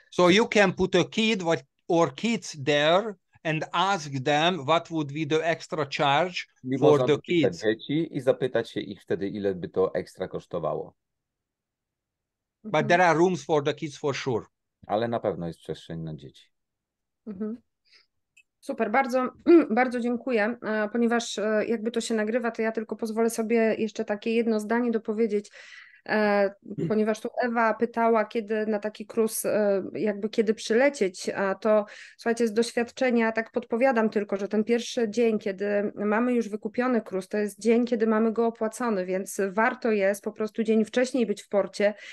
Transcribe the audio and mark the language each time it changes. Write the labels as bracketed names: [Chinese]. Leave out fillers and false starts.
[English] So you can put a kid or kids there and ask them what would be the extra charge for the kids. [Polish] Dzieci i zapytać się ich wtedy, ile by to ekstra kosztowało. [English] But there are rooms for the kids for sure. [Polish] Ale na pewno jest przestrzeń na dzieci. Super, bardzo, bardzo dziękuję, ponieważ jakby to się nagrywa, to ja tylko pozwolę sobie jeszcze takie jedno zdanie dopowiedzieć, ponieważ tu Ewa pytała, kiedy na taki cruise, jakby kiedy przylecieć, to słuchajcie, z doświadczenia tak podpowiadam tylko, że ten pierwszy dzień, kiedy mamy już wykupiony cruise, to jest dzień, kiedy mamy go opłacony, więc warto jest po prostu dzień wcześniej być w porcie